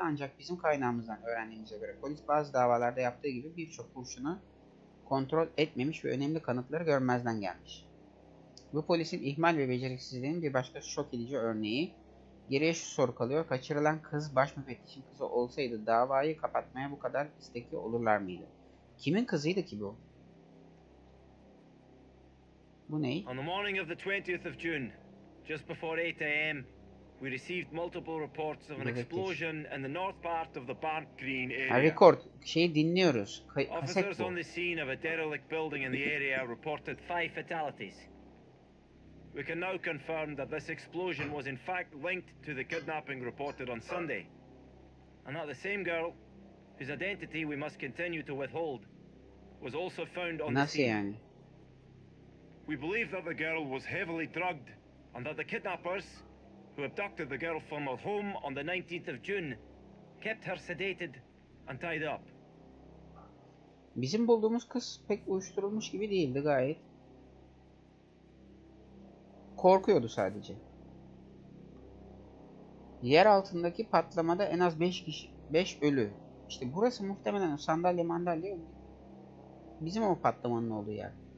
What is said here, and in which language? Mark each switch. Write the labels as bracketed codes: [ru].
[tr] Ancak bizim kaynağımızdan öğrendiğimize göre polis bazı davalarda yaptığı gibi birçok kurşunu kontrol etmemiş ve önemli kanıtları görmezden gelmiş. Bu polisin ihmal ve beceriksizliğinin bir başka şok edici örneği. Geriye şu soru kalıyor. Kaçırılan kız baş müfettişin kızı olsaydı davayı kapatmaya bu kadar istekli olurlar mıydı? Kimin kızıydı ki bu? Bu ne? [en] On the morning of the 20th of June, just before 8 a.m., we received multiple reports of an explosion in the north part of the Bank Green area. [tr] Ha, record. Şeyi dinliyoruz. [en] Officers on the scene of a derelict building in the area reported 5 fatalities. We can now confirm that this explosion was in fact linked to the kidnapping reported on Sunday. And that the same girl, whose identity we must continue to withhold, was also found on [tr] Nasıl [en] the scene. [tr] Yani? [en] We believe that the girl was heavily drugged and that the kidnappers who abducted the girl from her home on the 19th of June kept her sedated and tied up. [tr] Bizim bulduğumuz kız pek uyuşturulmuş gibi değildi gayet. Korkuyordu sadece. Yer altındaki patlamada en az 5 kişi, 5 ölü. İşte burası muhtemelen sandalye mandalye. Bizim o patlamanın olduğu yer.